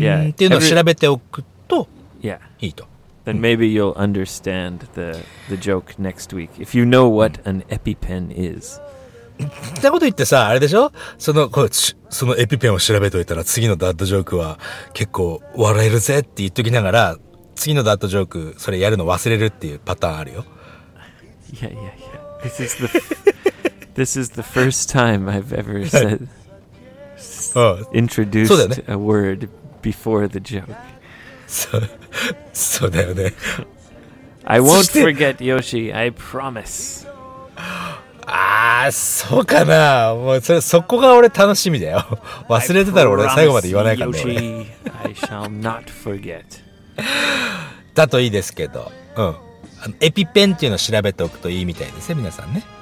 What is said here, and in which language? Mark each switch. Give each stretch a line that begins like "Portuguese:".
Japanese: っていうのを調べておくといいと。
English: Then maybe you'll understand the joke next week if you know what an EpiPen is.
Japanese: ってこと言ってさ、あれでしょ?そのEpiPenを調べといたら次のダッドジョークは結構笑えるぜって言っときながら、次のダッドジョークそれやるの忘れるっていうパターンあるよ。いやいやいや。
English: This is the first time I've ever said introduced a word before the joke.
Japanese: そうだよね。
English: I won't forget Yoshi, I promise.
Japanese: ああ、そうかな。もうそこが俺楽しみだよ。忘れてたら俺最後まで言わないからね。
English: Yoshi, I shall not forget.
Japanese: だといいですけど。うん。エピペンっていうのを調べておくといいみたいですよ、皆さんね。